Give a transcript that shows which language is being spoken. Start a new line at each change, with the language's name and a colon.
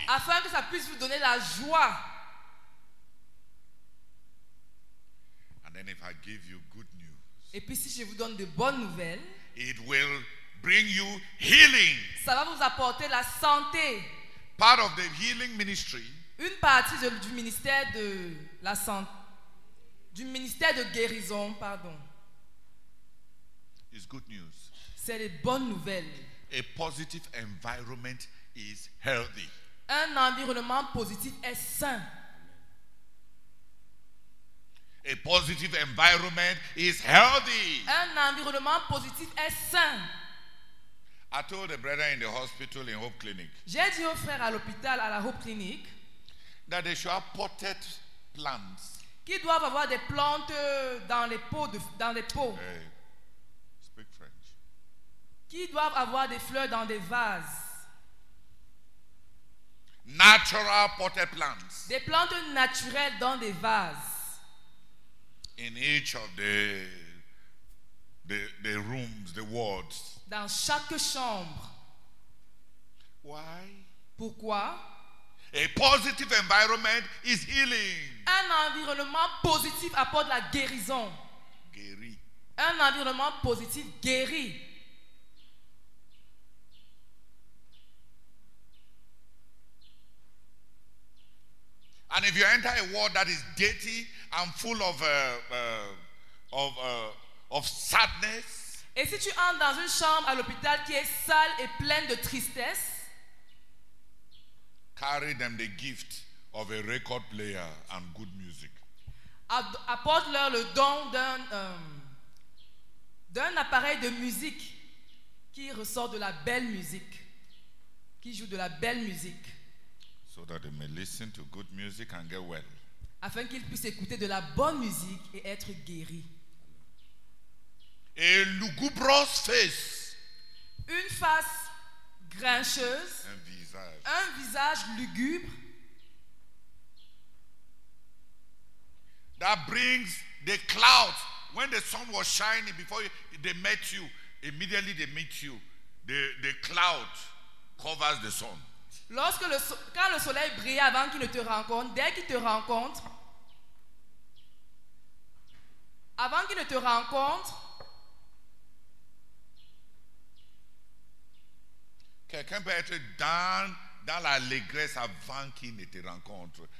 French: Afin que ça puisse vous donner la joie.
English: And then if I give you good news.
French: Et puis si je vous donne de bonnes nouvelles.
English: It will bring you healing.
French: Ça va vous apporter la santé.
English: Part of the healing ministry.
French: Une partie du ministère de la santé. Du ministère de guérison, pardon.
English: It's good news.
French: C'est les bonnes nouvelles.
English: A positive environment is healthy.
French: Un environnement positif est sain.
English: A positive environment is healthy.
French: Un environnement positif est sain.
English: I told the brethren in the hospital in Hope Clinic.
French: J'ai dit aux frères à l'hôpital à la Hope Clinic.
English: That they should have potted plants.
French: qui doivent avoir des plantes dans les pots.
English: Hey, speak French.
French: Qui doivent avoir des fleurs dans des vases.
English: Natural potted plants.
French: Des plantes naturelles dans des vases.
English: In each of the rooms, the wards.
French: Dans chaque chambre.
English: Why?
French: Pourquoi?
English: A positive environment is healing.
French: Un environnement positif apporte la guérison. Guéri. Un environnement positif guérit.
English: And if you enter a world that is dirty and full of sadness.
French: Et si tu entres dans une chambre à l'hôpital qui est sale et pleine de tristesse.
English: Carry them the gift of a record player and good music.
French: Apporte-leur le don d'un d'un appareil de musique qui ressort de la belle musique, qui joue de la belle musique.
English: So that they may listen to good music and get well.
French: Afin qu'ils puissent écouter de la bonne musique et être guéris.
English: A lugubrious face.
French: Une face grincheuse. Un visage. Un visage lugubre.
English: That brings the clouds. When the sun was shining before they met you, immediately they meet you, the cloud covers the sun.
French: Lorsque le quand le soleil brille avant qu'il ne te rencontre, dès qu'il te rencontre, avant qu'il ne te rencontre. Quelqu'un peut être dans l'allégresse avant qu'il ne te rencontre.